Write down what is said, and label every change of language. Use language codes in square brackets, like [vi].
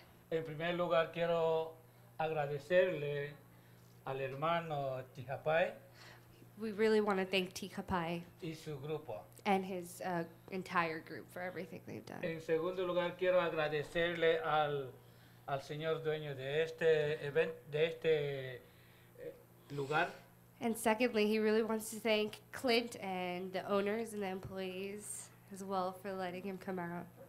[es] En primer lugar, quiero agradecerle al hermano Tijapay. [en] We really want to thank Tijapay. [es] Y su grupo. [en] And his entire group for everything they've done. [es] En segundo lugar, quiero agradecerle al señor dueño de este event, de este lugar. [en] And secondly, he really wants to thank Clint and the owners and the employees as well for letting him come out.